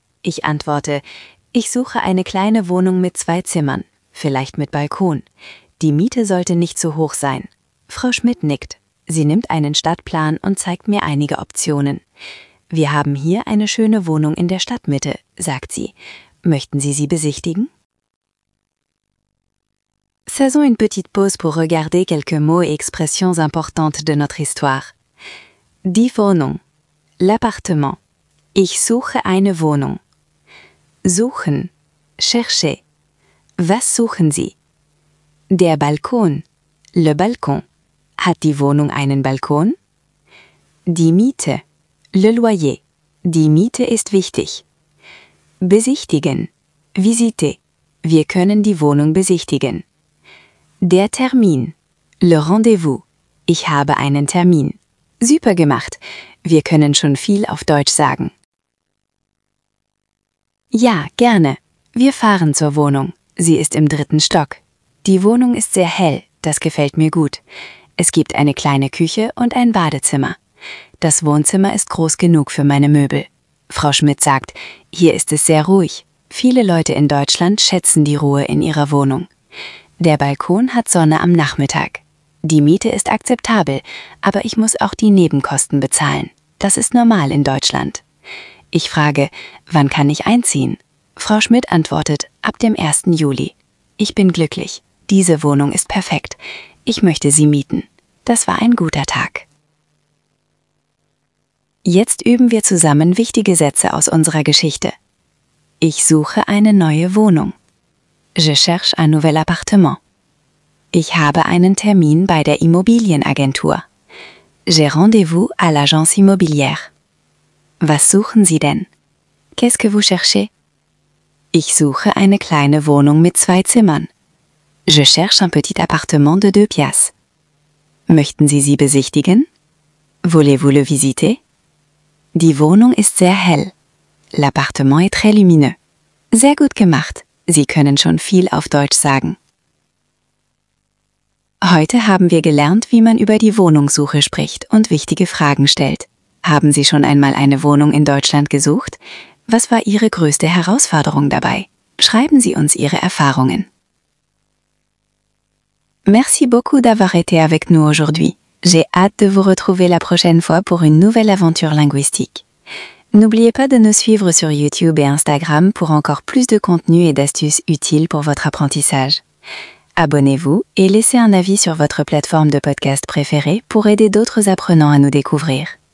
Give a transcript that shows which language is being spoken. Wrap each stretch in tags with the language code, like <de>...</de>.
<de>Ich antworte, ich suche eine kleine Wohnung mit 2 Zimmern, vielleicht mit Balkon. Die Miete sollte nicht so hoch sein. Frau Schmidt nickt. Sie nimmt einen Stadtplan und zeigt mir einige Optionen. Wir haben hier eine schöne Wohnung in der Stadtmitte, sagt sie. Möchten Sie sie besichtigen?</de> <fr>Faisons une petite pause pour regarder quelques mots et expressions importantes de notre histoire.</fr> <de>Die Wohnung,</de> <fr>l'appartement.</fr> <de>Ich suche eine Wohnung. Suchen,</de> <fr>chercher.</fr> <de>Was suchen Sie? Der Balkon,</de> <fr>le Balkon.</fr> <de>Hat die Wohnung einen Balkon? Die Miete,</de> <fr>le loyer.</fr> <de>Die Miete ist wichtig. Besichtigen,</de> <fr>visiter.</fr> <de>Wir können die Wohnung besichtigen. Der Termin,</de> <fr>le rendez-vous.</fr> <de>Ich habe einen Termin. Super gemacht. Wir können schon viel auf Deutsch sagen. Ja, gerne. Wir fahren zur Wohnung. Sie ist im 3. Stock. Die Wohnung ist sehr hell. Das gefällt mir gut. Es gibt eine kleine Küche und ein Badezimmer. Das Wohnzimmer ist groß genug für meine Möbel. Frau Schmidt sagt, hier ist es sehr ruhig. Viele Leute in Deutschland schätzen die Ruhe in ihrer Wohnung. Der Balkon hat Sonne am Nachmittag. Die Miete ist akzeptabel, aber ich muss auch die Nebenkosten bezahlen. Das ist normal in Deutschland. Ich frage, wann kann ich einziehen? Frau Schmidt antwortet, ab dem 1. Juli. Ich bin glücklich. Diese Wohnung ist perfekt. Ich möchte sie mieten. Das war ein guter Tag. Jetzt üben wir zusammen wichtige Sätze aus unserer Geschichte. Ich suche eine neue Wohnung.</de> <fr>Je cherche un nouvel appartement.</fr> <de>Ich habe einen Termin bei der Immobilienagentur.</de> <fr>J'ai rendez-vous à l'agence immobilière.</fr> <de>Was suchen Sie denn?</de> <fr>Qu'est-ce que vous cherchez?</fr> <de>Ich suche eine kleine Wohnung mit 2 Zimmern.</de> <fr>Je cherche un petit appartement de 2 pièces.</fr> <de>Möchten Sie sie besichtigen?</de> <fr>Voulez-vous le visiter?</fr> <de>Die Wohnung ist sehr hell.</de> <fr>L'appartement est très lumineux.</fr> <de>Sehr gut gemacht. Sie können schon viel auf Deutsch sagen. Heute haben wir gelernt, wie man über die Wohnungssuche spricht und wichtige Fragen stellt. Haben Sie schon einmal eine Wohnung in Deutschland gesucht? Was war Ihre größte Herausforderung dabei? Schreiben Sie uns Ihre Erfahrungen.</de> <fr>Merci beaucoup d'avoir été avec nous aujourd'hui. J'ai hâte de vous retrouver la prochaine fois pour une nouvelle aventure linguistique. N'oubliez pas de nous suivre sur YouTube et Instagram pour encore plus de contenu et d'astuces utiles pour votre apprentissage. Abonnez-vous et laissez un avis sur votre plateforme de podcast préférée pour aider d'autres apprenants à nous découvrir.</fr>